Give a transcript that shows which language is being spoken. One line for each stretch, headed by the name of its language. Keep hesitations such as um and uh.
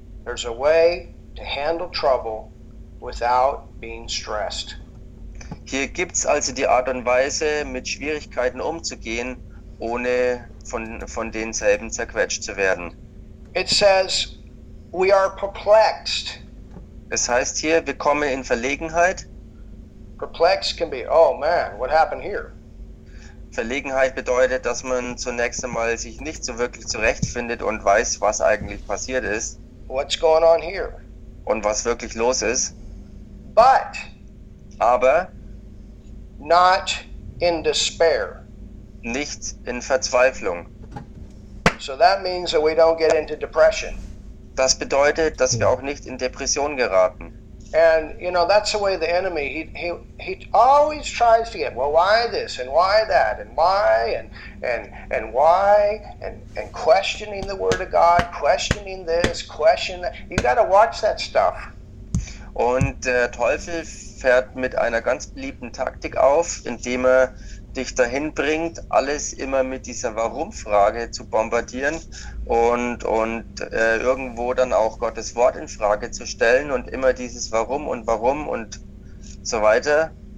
English: There's a way to handle trouble without being stressed.
German: Hier gibt es also die Art und Weise, mit Schwierigkeiten umzugehen, ohne von, von denselben zerquetscht zu werden.
English: It says, we are perplexed.
German: Es heißt hier, wir kommen in Verlegenheit.
English: Perplexed can be, oh man, what happened here?
German: Verlegenheit bedeutet, dass man zunächst einmal sich nicht so wirklich zurechtfindet und weiß, was eigentlich passiert ist.
English: What's going on here?
German: Und was wirklich los ist.
English: But.
German: Aber.
English: not in despair.
German: Nicht in Verzweiflung.
English: So that means that we don't get into depression.
German: Das bedeutet, dass wir auch nicht in Depression geraten.
English: And you know that's the way the enemy he, he, he always tries to get well why this and why that and why and and and why and and questioning the word of God questioning this question that you got to watch that stuff.
German: Und der Teufel fährt mit einer ganz beliebten Taktik auf, indem er dich dahin bringt, alles immer mit dieser Warum-Frage zu bombardieren und, und äh, irgendwo dann auch Gottes Wort in Frage zu stellen und immer dieses Warum und Warum und so weiter.